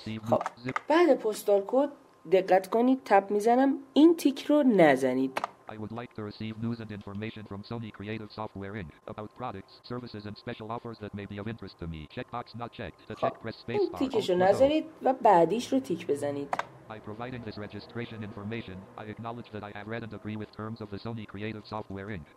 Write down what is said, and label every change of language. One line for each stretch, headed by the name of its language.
Persian: خب بعد پستال کود دقت کنید، تپ میزنم، این تیک رو نزنید.
English: I would like to receive news and information from Sony Creative Software Inc. about products, services and special offers that may be of interest to me. Checkbox not checked. The check press space bar.
Persian: تیکش رو نزنید و بعدیش رو تیک بزنید.
English: By providing this registration information, I acknowledge that I have read and agree with terms of the Sony Creative Software Inc.